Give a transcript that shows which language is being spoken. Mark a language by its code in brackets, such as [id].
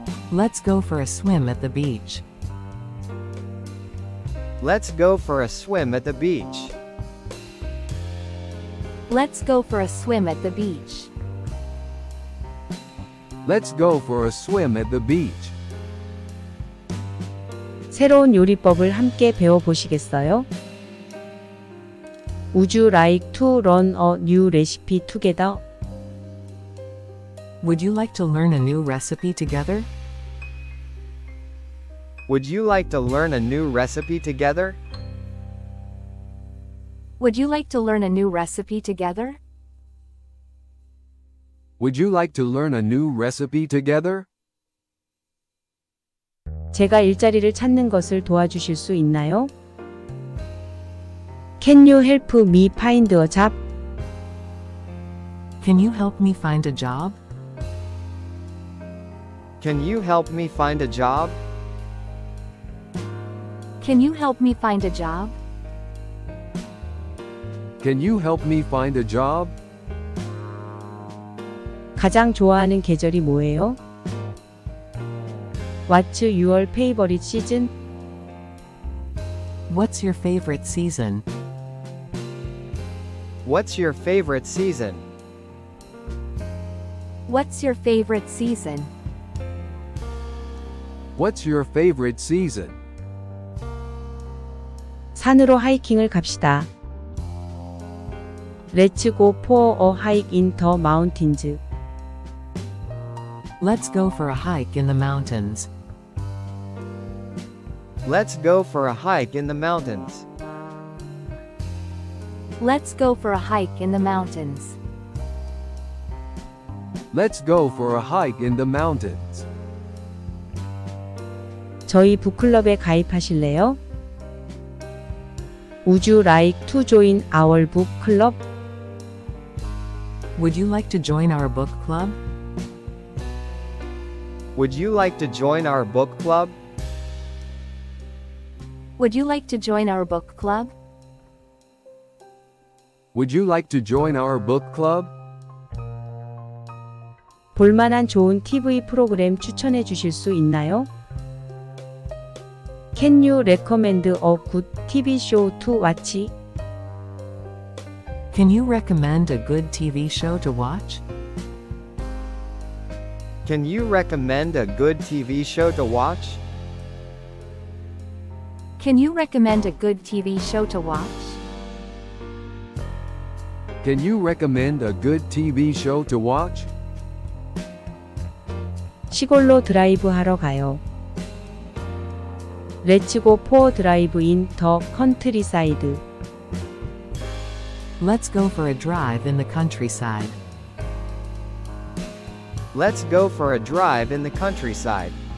[en] Let's go for a swim at the beach. Let's go for a swim at the beach. Let's go for a swim at the beach. Let's go for a swim at the beach. [ko] 새로운 요리법을 함께 배워보시겠어요? [en] Would you like to learn a new recipe together? Would you like to learn a new recipe together? Would you like to learn a new recipe together? Would you like to learn a new recipe together? Would you like to learn a new recipe together? [ko] 제가 일자리를 찾는 것을 도와주실 수 있나요? [en] Can you help me find a job? Can you help me find a job? Can you help me find a job? Can you help me find a job? Can you help me find a job? [ko] 가장 좋아하는 계절이 뭐예요? [en] What's your favorite season? What's your favorite season? What's your favorite season? What's your favorite season? What's your favorite season? [ko] 산으로 하이킹을 갑시다. [en] Let's go for a hike in the mountains. Let's go for a hike in the mountains. Let's go for a hike in the mountains. Let's go for a hike in the mountains. Let's go for a hike in the mountains. [ko] 저희 북클럽에 가입하실래요? [en] Would you like to join our book club? Would you like to join our book club? Would you like to join our book club? Would you like to join our book club? Would you like to join our book club? [ko] 볼만한 좋은 TV 프로그램 추천해 주실 수 있나요? [en] Can you recommend a good TV show to watch? Can you recommend a good TV show to watch? Can you recommend a good TV show to watch? Can you recommend a good TV show to watch? Can you recommend a good TV show to watch? [ko] 시골로 드라이브하러 가요. [en] Let's go for a drive in the countryside. Let's go for a drive in the countryside. Let's go for a drive in the countryside.